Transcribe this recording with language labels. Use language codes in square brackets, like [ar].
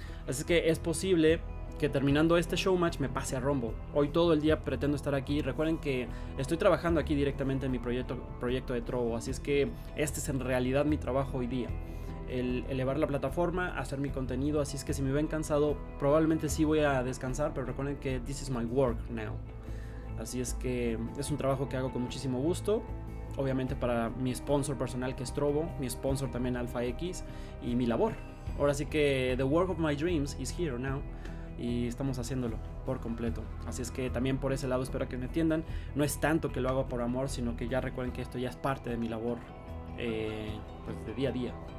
[es] Así que es posible que terminando este showmatch me pase a Rumble. Hoy todo el día pretendo estar aquí. Recuerden que estoy trabajando aquí directamente en mi proyecto de Trovo. Así es que este es en realidad mi trabajo hoy día. El elevar la plataforma, hacer mi contenido. Así es que si me ven cansado, probablemente sí voy a descansar. Pero recuerden que [en] this is my work now. [es] Así es que es un trabajo que hago con muchísimo gusto. Obviamente para mi sponsor personal que es Trovo, mi sponsor también Alpha X y mi labor. Ahora sí que [en] the work of my dreams is here now [es] y estamos haciéndolo por completo. Así es que también por ese lado espero que me entiendan. No es tanto que lo hago por amor, sino que ya recuerden que esto ya es parte de mi labor, pues de día a día.